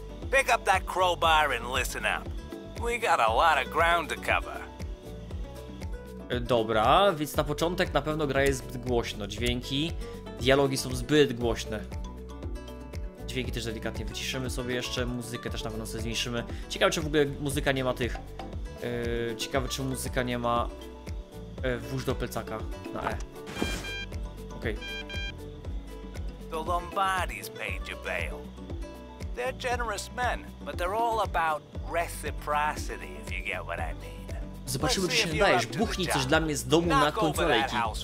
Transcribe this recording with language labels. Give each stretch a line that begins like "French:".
English: Pick up that crowbar and listen up. We got a lot of ground to cover.
Polish: Dobra, więc na początek na pewno gra jest zbyt głośno. Dźwięki, dialogi są zbyt głośne. Dźwięki też delikatnie wyciszymy sobie jeszcze. Muzykę też na pewno sobie zmniejszymy. Ciekawe, czy w ogóle muzyka nie ma tych... ciekawe, czy muzyka nie ma... włóż do plecaka na E. Okej.
English: The Lombardis paid your bail. They're generous men, but they're all about reciprocity, if you get what I mean.
Polish: Zobaczymy, czy się dajesz. Buchnij coś dla mnie z domu na kontrolejki.